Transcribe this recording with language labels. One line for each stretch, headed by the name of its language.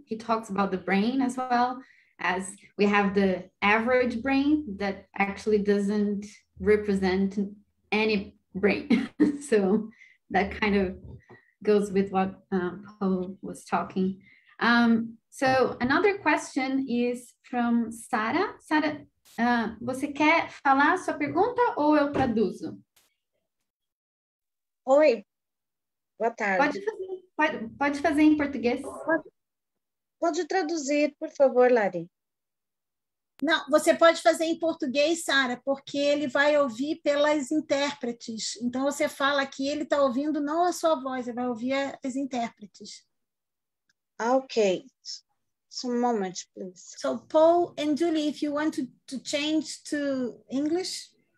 English: He talks about the brain as well, as we have the average brain that actually doesn't represent any brain. So that kind of goes with what Paul was talking. So another question is from Sara.
Portuguese: Sara, você quer falar sua pergunta ou eu traduzo? Oi, boa tarde. Pode fazer em português? Pode traduzir, por favor, Lari. Não, você pode fazer em português, Sara, porque ele vai ouvir pelas intérpretes. Então, você fala que ele está ouvindo não a sua voz, ele vai ouvir as intérpretes.
English: Ok. Some moment, please. So, Paul and Julie, if you want to change to English.